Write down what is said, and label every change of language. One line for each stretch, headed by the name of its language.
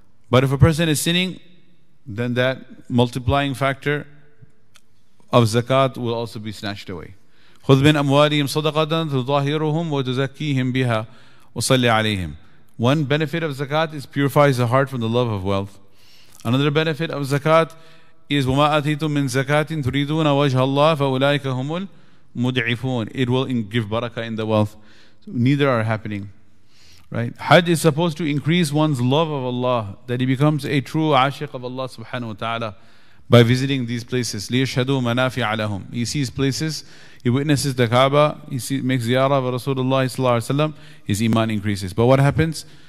English: But if a person is sinning, then that multiplying factor of zakat will also be snatched away.
Arabic: خُذْ مِنْ أَمْوَالِهِمْ صَدَقَةً تُطَهِّرُهُمْ وَتُزَكِّيهِمْ بِهَا وَصَلِّ عَلَيْهِمْ.
English: One benefit of zakat is purifies the heart from the love of wealth. Another benefit of zakat is
Arabic: وَمَا أَتِيتُمْ مِنْ زَكَاتٍ تُرِيدُونَ وَجْهَ اللَّهِ فَأُولَٰئِكَ هُمُ الْمُدْعِفُونَ.
English: It will give barakah in the wealth. Neither are happening, right? Hajj is supposed to increase one's love of Allah, that he becomes a true ashiq of Allah subhanahu wa ta'ala by visiting these places.
Arabic: لِيَشْهَدُوا مَنَافِعَ لَهُمْ.
English: He sees places, he witnesses the Kaaba, he makes ziyarah of Rasulullah sallallahu alayhi wa sallam, his iman increases. But what happens?